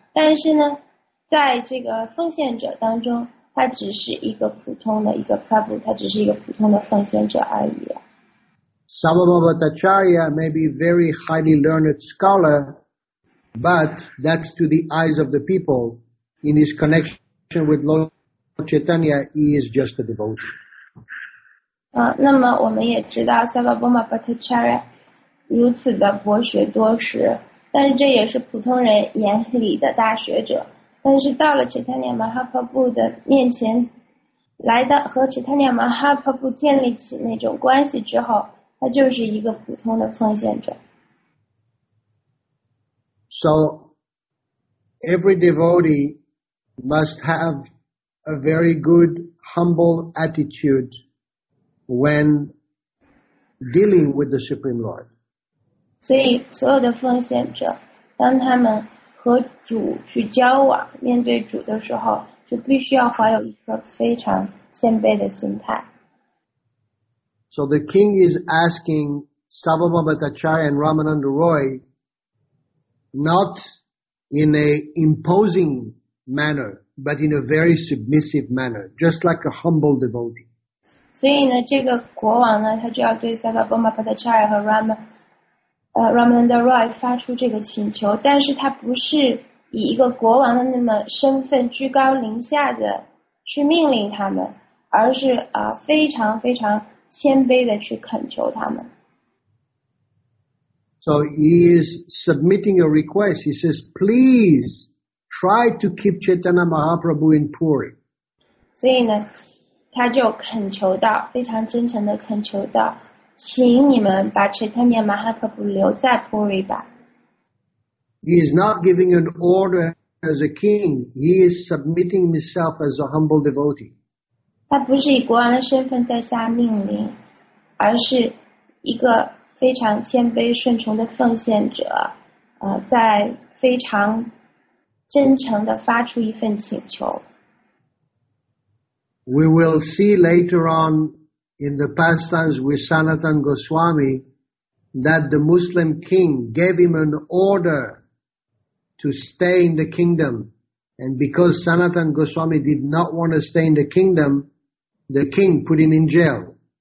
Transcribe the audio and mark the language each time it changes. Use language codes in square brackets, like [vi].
[zh] 但是呢，在这个奉献者当中，他只是一个普通的一个 Prabhu， 他只是一个普通的奉献者而已。 [en] Sababha Bhattacharya may be very highly learned scholar, but that's to the eyes of the people. In his connection with Lord Chaitanya, he is just a devotee. [zh] 那么我们也知道 Sababha Bhattacharya 如此的博学多识，但是这也是普通人眼里的大学者。但是到了 Chaitanya Mahaprabhu 的面前，来到和 Chaitanya Mahaprabhu 建立起那种关系之后，他就是一个普通的奉献者。 [en] So every devotee must have a very good humble attitude when dealing with the Supreme Lord. [zh] 所以所有的奉献者，当他们和主去交往，面对主的时候，就必须要怀有一颗非常谦卑的心态。 [en] So the king is asking Sababha Bhattacharya and Ramananda Roy, not in a imposing manner, but in a very submissive manner, just like a humble devotee. [zh] 所以呢，这个国王呢，他就要对 Sababha Bhattacharya 和 Ramananda Roy 发出这个请求，但是他不是以一个国王的那么身份居高临下的去命令他们，而是非常非常谦卑的去恳求他们。 [en] So he is submitting a request. He says, please try to keep Chaitanya Mahaprabhu in Puri. [zh] 所以呢，他就恳求到，非常真诚的恳求到，请你们把 Chaitanya Mahaprabhu 留在 Puri 吧。 [en] He is not giving an order as a king. He is submitting himself as a humble devotee. [zh] 他不是以国王的身份在下命令，而是一个非常谦卑顺从的奉献者，在非常真诚地发出一份请求。 [en] We will see later on. In the pastimes with Sanatan Goswami, that the Muslim king gave him an order to stay in the kingdom. And because Sanatan Goswami did not want to stay in the kingdom, the king put him in jail.